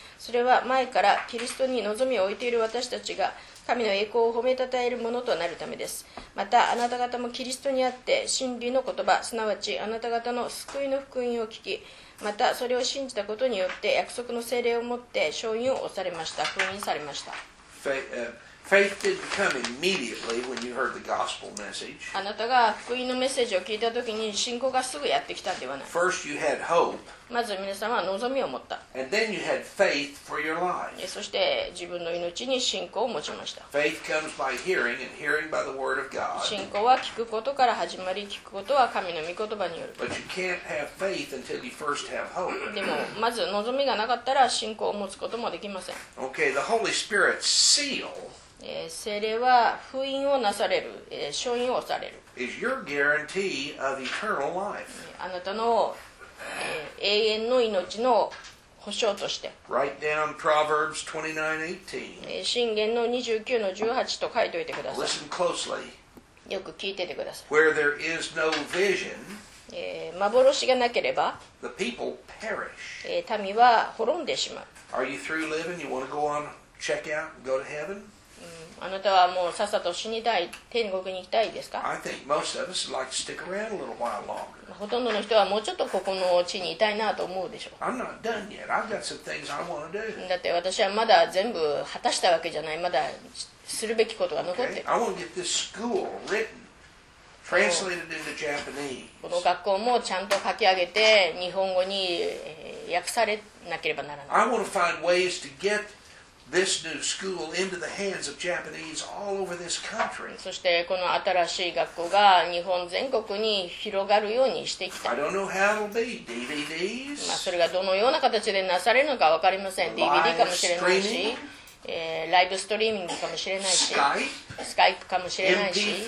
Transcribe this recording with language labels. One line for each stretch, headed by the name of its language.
Japanese: それは前からキリストに望みを置いている私たちが神の栄光を褒めたたえるものとなるためです。またあなた方もキリストにあって真理の言葉、すなわちあなた方の救いの福音を聞き、またそれを信じたことによって約束の聖霊をもって証印を押されました、封印されました。
English: Faith didn't come immediately when you heard the gospel message.
Japanese: あなたが福音のメッセージを聞いたときに信仰がすぐやってきたではない。
English: First you had hope.
Japanese: まず皆さんは望みを持った。
English: And then you had faith for your life.
Japanese: そして自分の命に信仰を持ちました。
English: Faith comes by hearing, and hearing by the word of God.
Japanese: 信仰は聞くことから始まり、聞くことは神の御言葉による。
English: But you can't have faith until you first have hope.
Japanese: でもまず望みがなかったら信仰を持つこともできません。
English: Okay, the Holy Spirit seal.
Japanese: 聖霊は封印をなされる、証印をされる。
English: Is your guarantee of eternal life.
Japanese: あなたの、永遠の命の保証として。
English: Write down Proverbs 29:18.
Japanese: 箴言の29の18と書いておいてください。
English: Listen closely.
Japanese: よく聞いててください。
English: Where there is no vision,
Japanese: 幻がなければ、
English: the people perish.
Japanese: 民は滅んでしまう。
English: Are you through living? You want to go on check out and go to heaven?
Japanese: あなたはもうさっさと死にたい、天国に行きたいですか？
English: I think most of us would like to stick around a little while longer.
Japanese: ほとんどの人はもうちょっとここの地にいたいなと思うでしょう。
English: I'm not done yet. I've got some things I want to do.
Japanese: だって私はまだ全部果たしたわけじゃない。まだするべきことが残ってる。
English: Okay. I want to get this school written, translated into Japanese.
Japanese: この学校もちゃんと書き上げて、日本語に訳されなければならない。
English: I want to find ways to get this new school into the hands of Japanese all over this country.
Japanese: そしてこの新しい学校が日本全国に広がるようにしてきた。
English: I don't know how it'll be. DVDs?
Japanese: まあそれがどのような形でなされるのか分かりません。DVD かもしれないし、ライブストリーミングかもしれないし、
English: Skype
Japanese: かもしれないし、